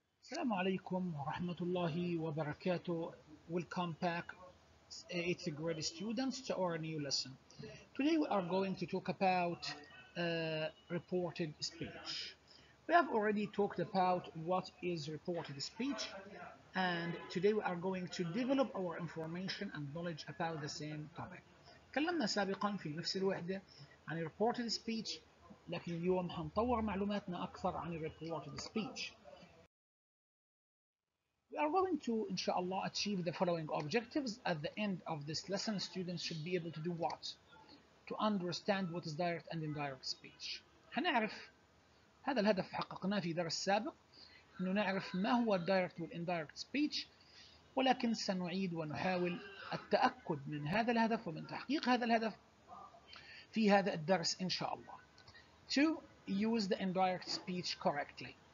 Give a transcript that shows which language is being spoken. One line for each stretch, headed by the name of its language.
Arabic: السلام عليكم ورحمة الله وبركاته.
English: Welcome back. It's a great students to our new lesson. Today we are going to talk about reported speech. We have already talked about what is reported speech, and today we are going to develop our information and knowledge about the same topic.
Arabic: تكلمنا سابقا في نفس الوحدة عن reported speech, لكن اليوم هنطور معلوماتنا أكثر عن reported speech.
English: We are going to, inshallah, achieve the following objectives. At the end of this lesson, students should be able to do what? To understand what is direct and indirect speech.
Arabic: هنعرف هذا الهدف حققناه في درس سابق, إنه نعرف ما هو direct والindirect speech, ولكن سنعيد ونحاول التأكد من هذا الهدف ومن تحقيق هذا الهدف في هذا الدرس inshallah.
English: To use the indirect speech correctly.